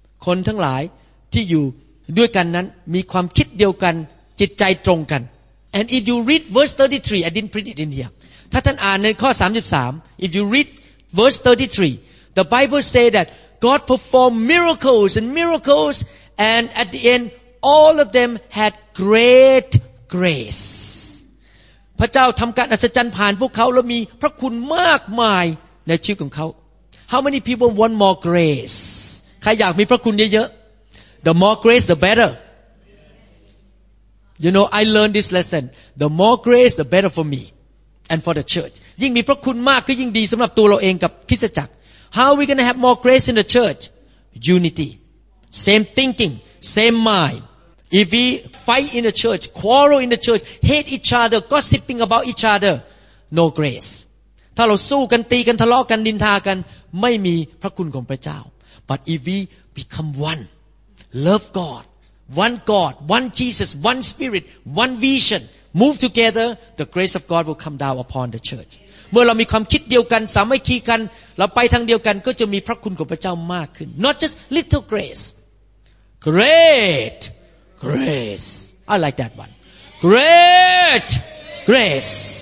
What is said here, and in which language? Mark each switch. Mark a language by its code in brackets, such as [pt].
[th] คนทั้งหลายที่อยู่ด้วยกันนั้นมีความคิดเดียวกันจิตใจตรงกัน [en] and if you read verse 33 I didn't print it in here [th] ถ้าท่านอ่านในข้อ33 [en] if you read verse 33 the Bible say that God performed miracles and at the end all of them had great grace [th] พระเจ้าทำการอัศจรรย์ผ่านพวกเขาแล้วมีพระคุณมากมายในชีวิตของเขา [en] how many people want more grace [th] ใครอยากมีพระคุณเยอะๆ [en] the more grace the betterYou know, I learned this lesson. The more grace, the better for me and for the church. [th] ยิ่งมีพระคุณมากก็ยิ่งดีสำหรับตัวเราเองกับคริสตจักร [en] How are we going to have more grace in the church? Unity. Same thinking, same mind. If we fight in the church, quarrel in the church, hate each other, gossiping about each other, no grace. [th] ถ้าเราสู้กันตีกันทะเลาะกันดินทากันไม่มีพระคุณของพระเจ้า [en] But if we become one, love GodOne God, one Jesus, one Spirit, one vision. Move together, the grace of God will come down upon the church. [th] เมื่อเรามีความคิดเดียวกันสามัคคีกันเราไปทางเดียวกันก็จะมีพระคุณของพระเจ้ามากขึ้น [en] Not just little grace. Great grace. I like that one. Great grace.